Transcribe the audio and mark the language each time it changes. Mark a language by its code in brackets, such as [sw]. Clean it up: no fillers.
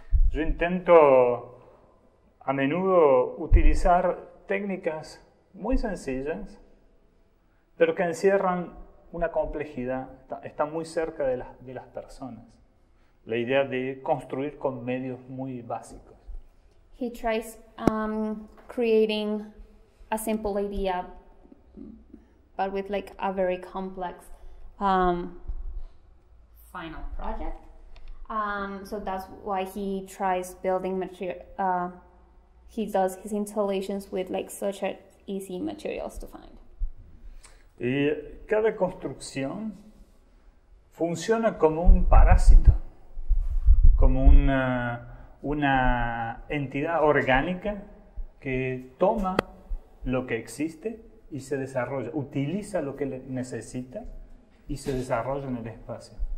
[es] Yo intento a menudo utilizar técnicas muy sencillas, pero que encierran una complejidad, está muy cerca de las personas. La idea de construir con medios muy básicos. [en] He tries creating a simple idea, but with like a very complex final project. So that's why he tries building he does his installations with like such easy materials to find. [es] Y cada construcción funciona como un parásito, como una entidad orgánica que toma lo que existe y se desarrolla, utiliza lo que necesita y se desarrolla en el espacio.